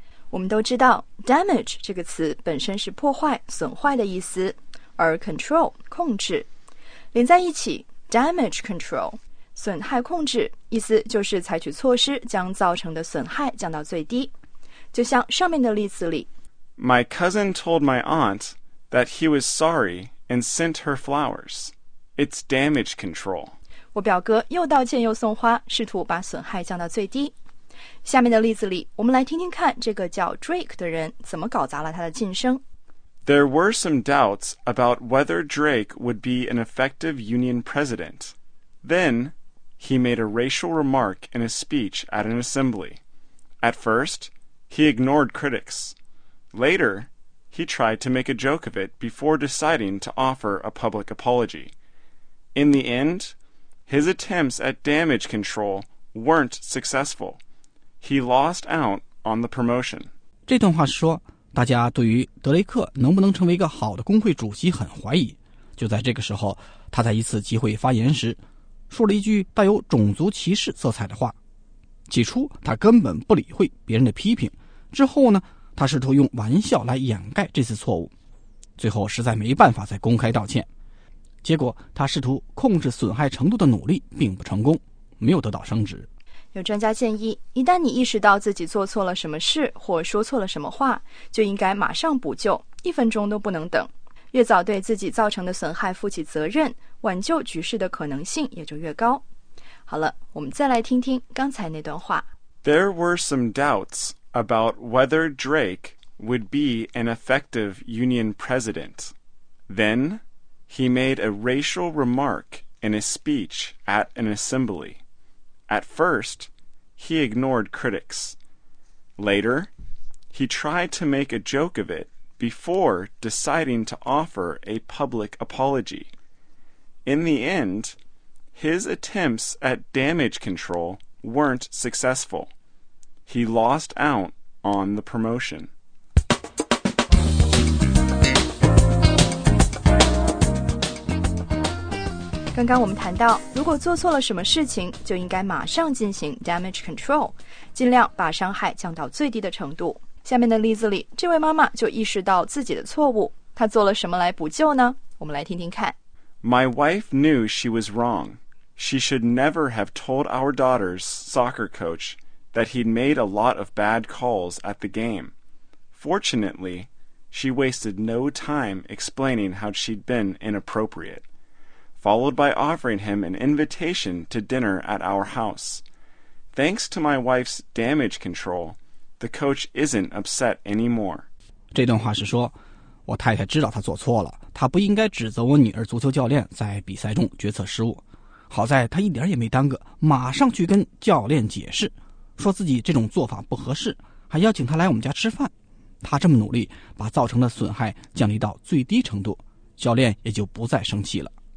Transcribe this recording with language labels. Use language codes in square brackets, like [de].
[zh] 我们都知道 damage 这个词本身是破坏、损坏的意思。而 control 控制连在一起 damage control 损害控制，意思就是采取措施将造成的损害降到最低。就像上面的例子里， [en] My cousin told my aunt that he was sorry and sent her flowers. It's damage control. [zh] 我表哥又道歉又送花，试图把损害降到最低。下面的例子里，我们来听听看这个叫 Drake 的人怎么搞砸了他的晋升。 [en] There were some doubts about whether Drake would be an effective union president. Then, he made a racial remark in a speech at an assembly. At first, he ignored critics. Later, he tried to make a joke of it before deciding to offer a public apology. In the end, his attempts at damage control weren't successful. He lost out on the promotion. [zh] 这段话说大家对于德雷克能不能成为一个好的工会主席很怀疑。就在这个时候，他在一次集会发言时说了一句带有种族歧视色彩的话。起初他根本不理会别人的批评，之后呢，他试图用玩笑来掩盖这次错误。最后实在没办法再公开道歉。结果他试图控制损害程度的努力并不成功，没有得到升职。有专家建议，一旦你意识到自己做错了什么事或说错了什么话，就应该马上补救，一分钟都不能等。越早对自己造成的损害负起责任，挽救局势的可能性也就越高。好了，我们再来听听刚才那段话。 [en] There were some doubts about whether Drake would be an effective union president. Then, he made a racial remark in a speech at an assembly. At first, he ignored critics. Later, he tried to make a joke of it before deciding to offer a public apology. In the end, his attempts at damage control weren't successful. He lost out on the promotion. [zh] 刚刚我们谈到，如果做错了什么事情，就应该马上进行 damage control， 尽量把伤害降到最低的程度。下面的例子里，这位妈妈就意识到自己的错误，她做了什么来补救呢？我们来听听看。 [en] My wife knew she was wrong. She should never have told our daughter's soccer coach that he'd made a lot of bad calls at the game. Fortunately, she wasted no time explaining how she'd been inappropriate. followed by offering him an invitation to dinner at our house. Thanks to my wife's damage control, the coach isn't upset anymore. [zh] 这段话是说，我太太知道她做错了，她不应该指责我女儿足球教练在比赛中决策失误。好在她一点也没耽搁，马上去跟教练解释，说自己这种做法不合适，还邀请她来我们家吃饭。她这么努力，把造成的损害降低到最低程度，教练也就不再生气了。